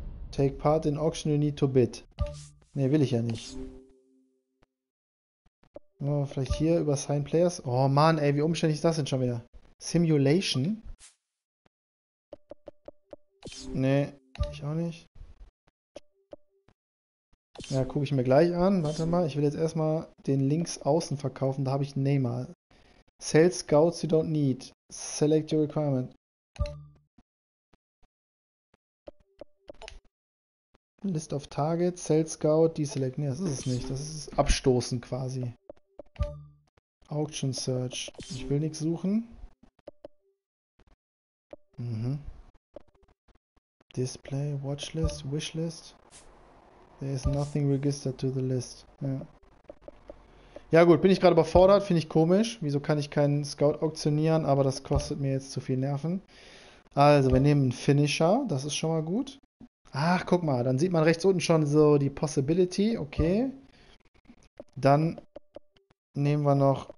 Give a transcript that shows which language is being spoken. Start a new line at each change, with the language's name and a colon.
English: Take part in auction you need to bid.
German: Ne, will ich ja nicht. Oh, vielleicht hier über Sign Players. Oh Mann, ey, wie umständlich ist das denn schon wieder? Simulation? Nee, ich auch nicht. Ja, gucke ich mir gleich an. Warte mal, ich will jetzt erstmal den links außen verkaufen. Da habe ich Neymar.
English: Sell Scouts you don't need. Select your requirement.
German: List of targets. Sell Scout. Deselect. Nee, das ist es nicht. Das ist abstoßen quasi. Auction Search. Ich will nichts suchen.
English: Mhm. Display, Watchlist, Wishlist. There is nothing registered to the list.
German: Ja. Ja gut, bin ich gerade überfordert. Finde ich komisch. Wieso kann ich keinen Scout auktionieren? Aber das kostet mir jetzt zu viel Nerven. Also, wir nehmen einen Finisher. Das ist schon mal gut. Ach, guck mal. Dann sieht man rechts unten schon so die Possibility. Okay. Dann nehmen wir noch.